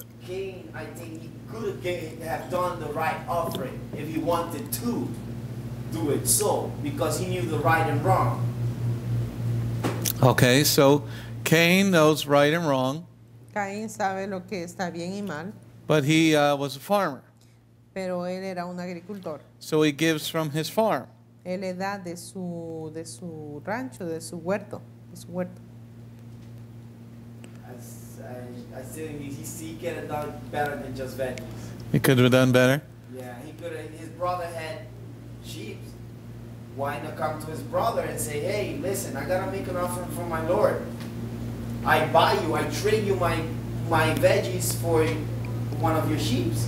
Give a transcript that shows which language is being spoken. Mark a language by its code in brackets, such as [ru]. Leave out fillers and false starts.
[en] Kayin, I think he could have done the right offering if he wanted to do it so, because he knew the right and wrong. Okay, so Kayin knows right and wrong. [es] Kayin sabe lo que está bien y mal. [en] But he was a farmer. [es] Pero él era un agricultor. [en] So he gives from his farm. [es] Él le da de su rancho, de su huerto, de su huerto. [en] I still think he could have done better than just veggies. He could have done better? Yeah, his brother had sheep. Why not come to his brother and say, hey, listen, I got to make an offering for my Lord. I buy you, I trade you my veggies for one of your sheep.